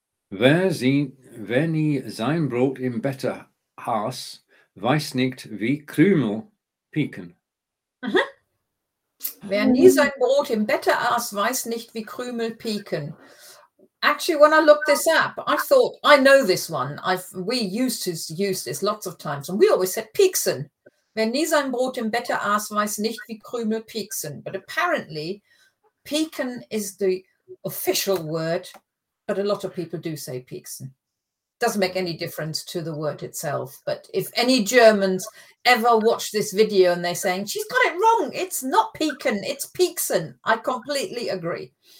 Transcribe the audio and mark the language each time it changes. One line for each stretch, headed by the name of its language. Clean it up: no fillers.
German: Wer nie sein Brot im Bette aß, weiß nicht, wie Krümel pieken. Wer nie sein Brot im Bette aß, weiß nicht, wie Krümel pieken.
English: Actually, when I looked this up, I thought, I know this one. We used to use this lots of times, and we always said pieksen.
German: Wer nie sein Brot im Bette aß, weiß nicht, wie Krümel pieksen.
English: But apparently, pieken is the official word. But a lot of people do say pieksen. Doesn't make any difference to the word itself. But if any Germans ever watch this video and they're saying, she's got it wrong, it's not pieken, it's pieksen, I completely agree.